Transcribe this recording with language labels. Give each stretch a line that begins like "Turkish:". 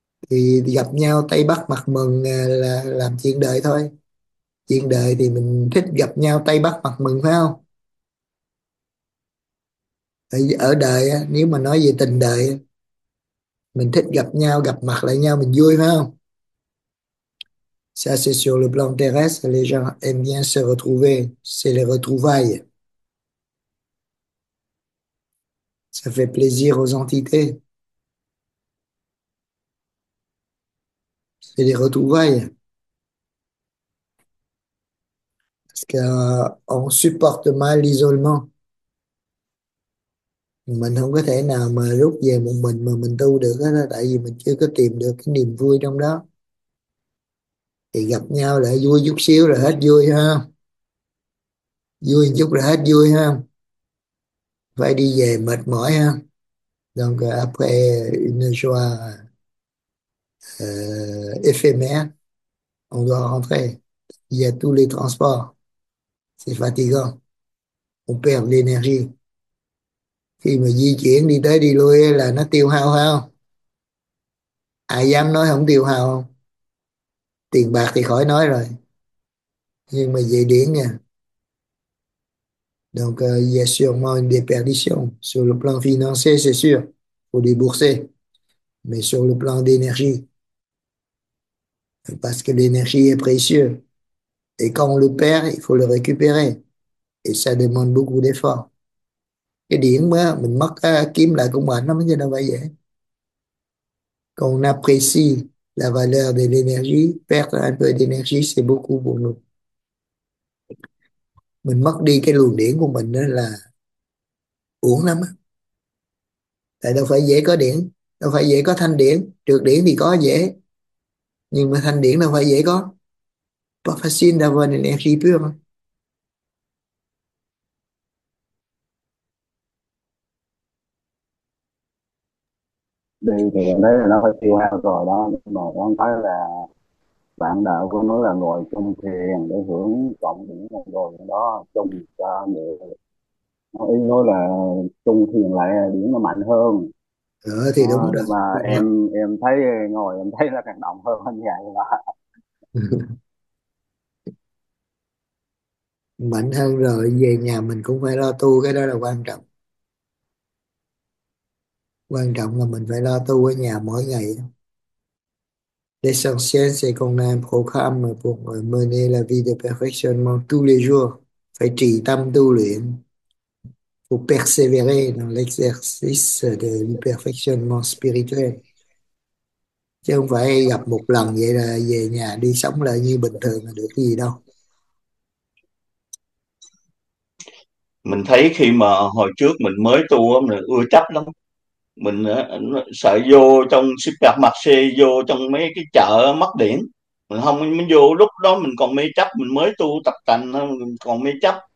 Vietnamese: Thì gặp nhau tay bắt mặt mừng là làm chuyện đời thôi. Chuyện đời thì mình thích gặp nhau tay bắt mặt mừng phải không? Tại vì ở đời á, nếu mà nói về tình đời mình thích gặp nhau, gặp mặt lại nhau mình vui phải không?
French: Ça, c'est sur le plan terrestre, les gens aiment bien se retrouver, c'est les retrouvailles. Ça fait plaisir aux entités. C'est des retrouvailles. Parce qu'on supporte mal l'isolement.
Vietnamese: Mình không có thể nào mà rút về một mình mà mình tu được hết đó, tại vì mình chưa có tìm được cái niềm vui trong đó. Thì gặp nhau lại vui chút xíu rồi hết vui ha. Vui chút rồi hết vui ha. Phải đi về mệt mỏi ha.
French: Donc après une joie éphémère, on doit rentrer. Il y a tous les transports. C'est fatigant. On perd l'énergie.
Vietnamese: Khi mà di chuyển đi tới đi lui là nó tiêu hao không? Ai dám nói không tiêu hao không? Tiền bạc thì khỏi nói rồi. Nhưng mà về điển nha.
French: Donc, il y a sûrement une déperdition. Sur le plan financier, c'est sûr. Faut débourser. Mais sur le plan d'énergie. Parce que l'énergie est précieuse. Et quand on le perd, il faut le récupérer. Et ça demande beaucoup d'efforts.
Vietnamese: Cái điển mà mình mất kiếm lại cũng mệt lắm chứ đâu phải dễ. Còn
French: on apprécie la valeur de l'énergie, perdre un peu d'énergie, c'est beaucoup pour nous.
Vietnamese: Mình mất đi cái luồng điển của mình đó là uổng lắm á. Tại đâu phải dễ có điển, đâu phải dễ có thanh điển, trược điển thì có dễ. Nhưng mà thanh điển đâu phải dễ có.
French: Pas facile d'avoir une énergie pure.
Vietnamese: Đi thì đấy là nó hơi tiêu hao rồi đó, nhưng mà con thấy là bạn đạo của nó là ngồi chung thiền để hưởng trọn những rồi đó chung cho người, nó ý nói là chung thiền lại điểm nó mạnh hơn Thì à, đúng nhưng mà rồi, em thấy ngồi em thấy là càng động hơn anh vậy đó. đúng rồi. Mạnh hơn rồi, về nhà mình cũng phải lo tu, cái đó là quan trọng. Quan trọng là mình phải lo tu ở nhà mỗi ngày.
French: L'essentiel, c'est qu'on a un programme pour mener la vie de perfectionnement tous les jours.
Vietnamese: Phải trì tâm tu luyện.
French: Pour persévérer dans l'exercice du perfectionnement spirituel.
Vietnamese: Chứ không phải gặp một lần vậy là về nhà đi sống lại như bình thường là được cái gì đâu. Mình thấy khi mà hồi trước mình mới tu á, mình ưa chấp lắm, mình sợ vô trong supermarché, vô trong mấy cái chợ mất điện, mình không mình vô lúc đó mình còn mê chấp, mình mới tu tập tành mình còn mê chấp.